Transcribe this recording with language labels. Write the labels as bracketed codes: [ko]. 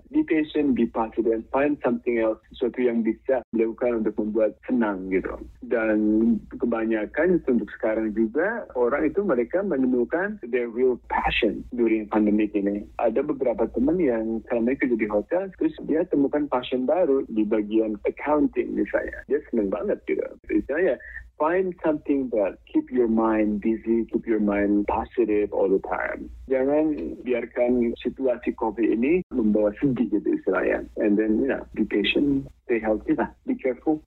[en] Be patient, be positive, and find something else, [id] sesuatu yang bisa dilakukan untuk membuat senang gitu. Dan kebanyakan itu untuk sekarang juga, orang itu mereka menemukan [en] their real passion during pandemic [id] ini. Ada beberapa teman yang kalau mereka jadi hotel, terus dia temukan passion baru di bagian accounting misalnya. Dia senang banget gitu. Misalnya, [en] find something that keep your mind busy, keep your mind positive all the time. [id] Jangan biarkan situasi COVID ini membawa sedih gitu istilahnya. [en] And then, you know, be patient, stay healthy lah, be careful.